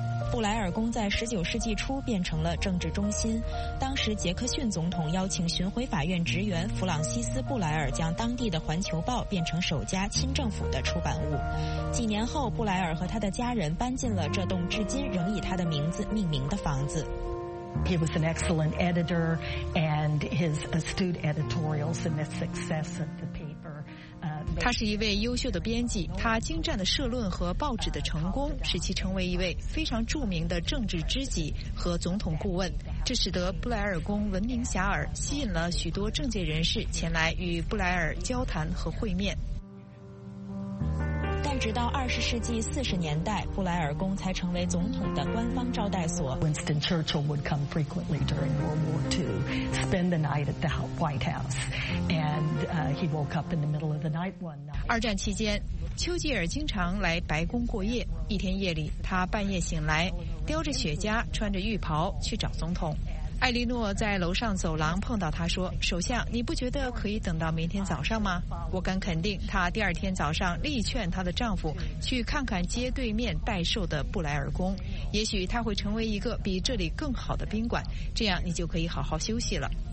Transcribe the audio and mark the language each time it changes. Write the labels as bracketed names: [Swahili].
[Chinese] 布莱尔宫在19世纪初变成了政治中心，当时杰克逊总统邀请巡回法院职员弗朗西斯·布莱尔将当地的《环球报》变成首家亲政府的出版物。几年后，布莱尔和他的家人搬进了这栋至今仍以他的名字命名的房子。 [English] He was an excellent editor, and his astute editorials and the success of the paper. [Chinese] 他是一位优秀的编辑，他精湛的社论和报纸的成功使其成为一位非常著名的政治知己和总统顾问，这使得布莱尔宫闻名遐迩，吸引了许多政界人士前来与布莱尔交谈和会面。但直到20世纪40年代，布莱尔宫才成为总统的官方招待所。 [English] Winston Churchill would come frequently during World War II, spend the night at the White House, and he woke up in the middle of the night one night. [Chinese] 二战期间，丘吉尔经常来白宫过夜。一天夜里，他半夜醒来，叼着雪茄，穿着浴袍去找总统。艾莉诺在楼上走廊碰到他，说：首相，你不觉得可以等到明天早上吗？我敢肯定他第二天早上力劝他的丈夫去看看街对面待售的布莱尔宫，也许他会成为一个比这里更好的宾馆，这样你就可以好好休息了。